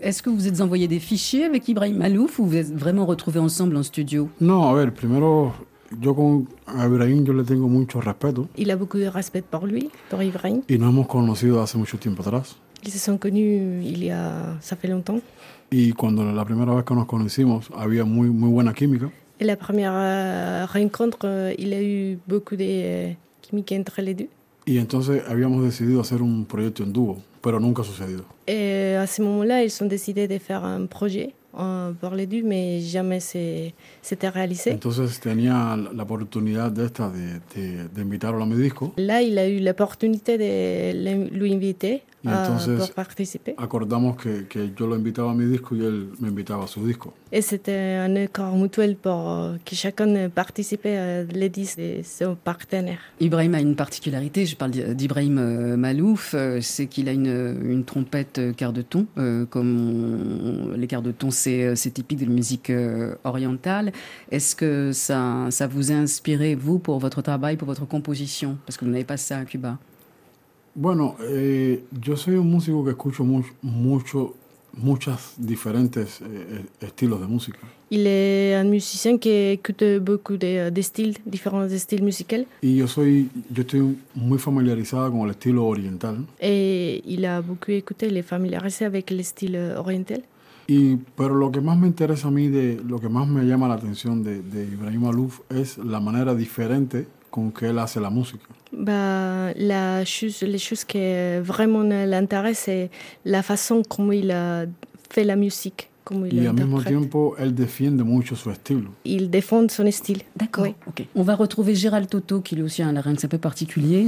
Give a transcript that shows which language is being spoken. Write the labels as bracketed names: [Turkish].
[French] Est-ce que vous êtes envoyé des fichiers avec Ibrahim Malouf ou vous êtes vraiment retrouvés ensemble en studio? [Spanish] Non, a ver, primero, yo con Ibrahim, yo le tengo mucho respeto. [French] Il a beaucoup de respect pour lui, pour Ibrahim. [Spanish] Y nos hemos conocido hace mucho tiempo atrás. [French] Ils se sont connus il y a, ça fait longtemps. [Spanish] Y cuando la primera vez que nos conocimos, había muy, muy buena química. [French] Et la première rencontre, il a eu beaucoup de química entre les deux. [Spanish] Y entonces habíamos decidido hacer un proyecto en dúo, pero nunca ha sucedido. [French] Et à ce moment-là, ils ont décidé de faire un projet pour les deux, mais jamais c'était réalisé. [Spanish] Entonces tenía la oportunidad de esta de invitarlo a mi disco. [French] Là, il a eu l'opportunité de lui inviter pour participer. [Spanish] Acordamos que yo lo invitaba a mi disco y él me invitaba a su disco. [French] Et c'était un accord mutuel pour que chacun participe à les disques de son partenaire. Ibrahim a une particularité, je parle d'Ibrahim Malouf, c'est qu'il a une trompette quart de ton, comme les quarts de ton, c'est typique de la musique orientale. Est-ce que ça vous a inspiré, vous, pour votre travail, pour votre composition? Parce que vous n'avez pas ça à Cuba. [Spanish] Bueno, yo soy un músico que escucho mucho. Muchas diferentes estilos de música. [French] Il est un musicien qui écoute beaucoup de styles, différents styles musicaux. [Spanish] Y yo estoy muy familiarizado con el estilo oriental. [French] Et il a beaucoup écouté, il est familiarisé avec le style oriental. [Spanish] Y pero lo que más me interesa a mí, de lo que más me llama la atención de Ibrahim Malouf es la manera diferente con que él hace la música. [French] Bah, les choses qui vraiment l'intéressent, c'est la façon comment il a fait la musique, comment il l'interprète. Et en même temps, il défend beaucoup son style. Il défend son style. D'accord. Oui. Okay. On va retrouver Gérald Toto, qui lui aussi a un larynx un peu particulier.